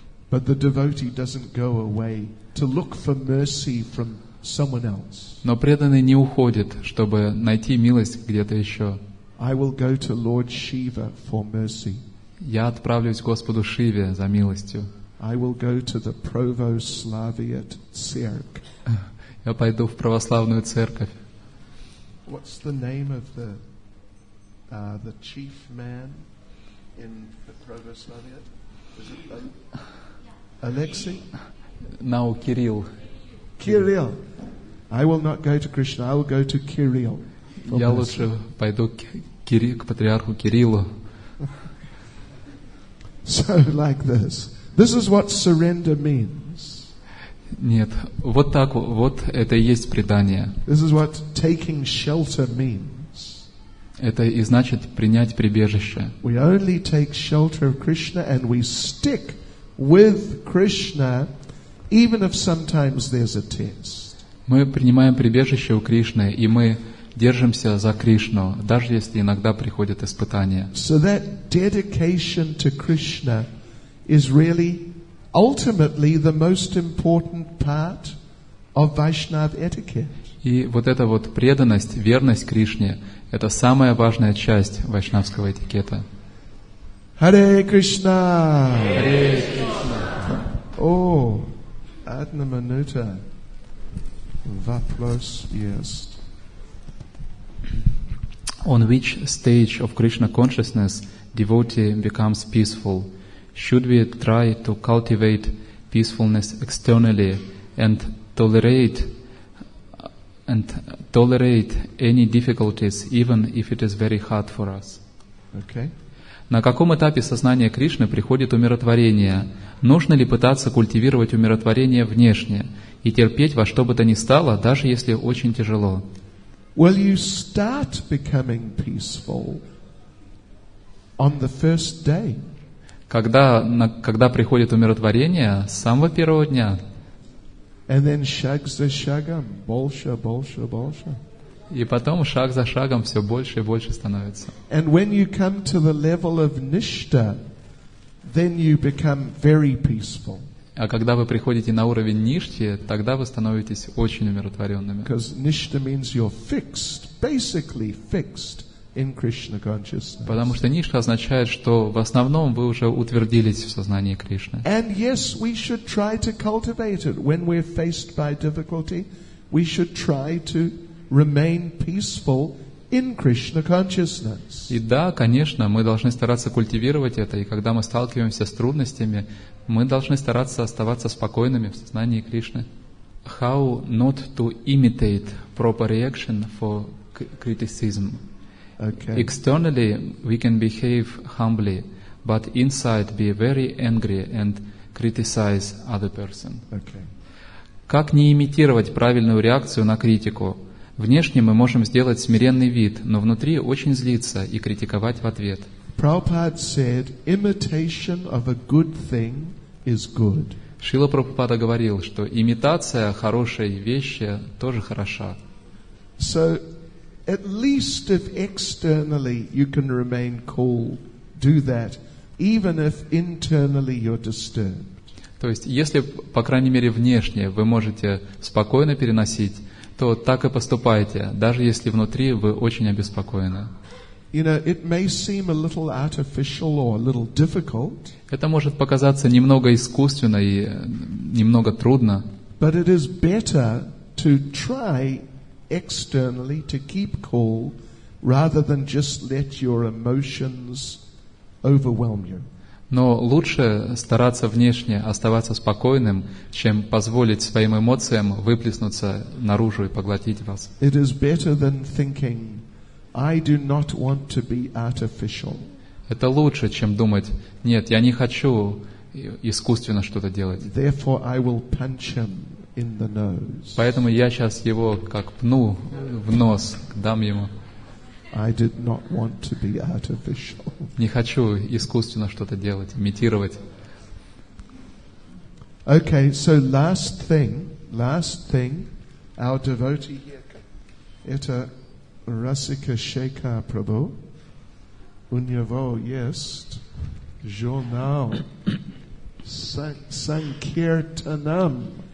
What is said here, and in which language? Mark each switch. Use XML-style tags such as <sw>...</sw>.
<en>But the devotee doesn't go away to look for mercy from someone else.</en> <ru>Но преданный не уходит, чтобы найти милость где-то еще.</ru> <en>I will go to Lord Shiva for mercy.</en> <ru>Я отправлюсь к Господу Шиве за милостью.</ru> <en>I will go to the Pravoslavian Church.</en> <ru>Я пойду в православную церковь.</ru> <en>What's the name of the chief man in the Pravoslavia? Is it Alexei? Now Kirill. Kirill. I will not go to Krishna. I will go to Kirill.</en> <ru>Я лучше пойду к патриарху Кириллу.</ru> <en>So like this. This is what surrender means.</en> <ru>Нет, вот так вот это и есть предание.</ru> <en>This is what taking shelter means.</en> <ru>Это и значит принять прибежище.</ru> <en>We only take shelter of Krishna and we stick with Krishna, even if sometimes there's a test.</en> <ru>Мы принимаем прибежище у Кришны и мы держимся за Кришну, даже если иногда приходят испытания.</ru> <en>So that dedication to Krishna is really ultimately, the most important part of Vaishnava etiquette.</en> <ru>И вот эта вот преданность, верность Кришне, это самая важная часть вайшнавского этикета.</ru> <en>Hare Krishna.</en> <ru>Hare Krishna. Oh, одна минута. Вопрос есть.</ru> <en>On which stage of Krishna consciousness devotee becomes peaceful? Should we try to cultivate peacefulness externally and tolerate any difficulties, even if it is very hard for us? Okay.</en> <ru>На каком этапе сознания Кришны приходит умиротворение? Нужно ли пытаться культивировать умиротворение внешне и терпеть во что бы то ни стало, даже если очень тяжело?</ru> <en>Well, you start becoming peaceful on the first day.</en> <ru>Когда приходит умиротворение, с самого первого дня.</ru> <en>And then</en> <ru>шаг за шагом, больше, больше, больше. И потом шаг за шагом все больше и больше становится.</ru> <en>And when you come to the level of Nishta, then you become very peaceful.</en> <ru>А когда вы приходите на уровень Ништи, тогда вы становитесь очень умиротворенными.</ru> <en>Because Nishta means you're fixed, basically fixed. In Krishna consciousness.</en> <ru>Потому что нишка означает, что в основном вы уже утвердились в сознании Кришны.</ru> <en>And yes, we should try to cultivate it. When we're faced by difficulty, we should try to remain peaceful in Krishna consciousness.</en> <ru>И да, конечно, мы должны стараться культивировать это, и когда мы сталкиваемся с трудностями, мы должны стараться оставаться спокойными в сознании Кришны.</ru> <en>How not to imitate proper reaction for criticism? Okay. Externally, we can behave humbly, but inside be very angry and criticize other person. Okay.</en> <ru>Как не имитировать правильную реакцию на критику? Внешне мы можем сделать смиренный вид, но внутри очень злиться и критиковать в ответ.</ru> <en>Prabhupada said, imitation of a good thing is good.</en> <ru>Шрила Прабхупада говорил, что имитация хорошей вещи тоже хороша.</ru> <en>So, at least if externally you can remain cool, do that, even if internally you're disturbed.</en> <ru>То есть, если, по крайней мере, внешне вы можете спокойно переносить, то так и поступайте, даже если внутри вы очень обеспокоены.</ru> <en>You know, it may seem a little artificial or a little difficult.</en> <ru>Это может показаться немного искусственно и немного трудно.</ru> <en>But it is better to try externally to keep cool rather than just let your emotions overwhelm you.</en> <ru>Но лучше стараться внешне оставаться спокойным, чем позволить своим эмоциям выплеснуться наружу и поглотить вас.</ru> <en>It is better than thinking, I do not want to be artificial.</en> <ru>Это лучше, чем думать, нет, я не хочу искусственно что-то делать.</ru> <en>Therefore, I will punch him in the nose.</en> <ru>Поэтому я сейчас его как пну в нос, дам ему.</ru> <en>I did not want to be artificial.</en> <ru>Не хочу искусственно что-то делать, имитировать.</ru> <en>Okay, so last thing, our devotee here,</en> <ru>это Расика Шейка Прабху, у него есть журнал Sankirtanam.</ru>